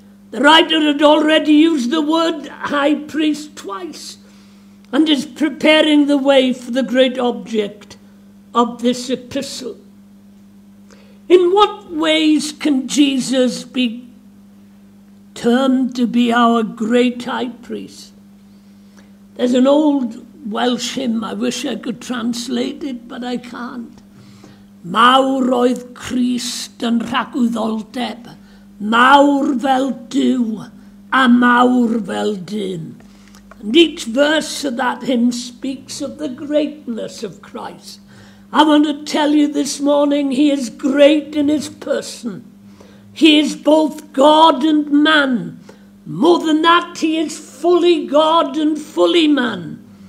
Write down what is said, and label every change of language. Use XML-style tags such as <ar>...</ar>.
<en>The writer had already used the word high priest twice and is preparing the way for the great object of this epistle. In what ways can Jesus be termed to be our great high priest? There's an old Welsh hymn, I wish I could translate it, but I can't.</en> <cy>Mawr oedd Crist yn rhagwyddoldeb, mawr fel dyw a mawr fel dyn.</cy> <en>And each verse of that hymn speaks of the greatness of Christ. I want to tell you this morning, he is great in his person. He is both God and man. More than that, he is fully God and fully man.</en>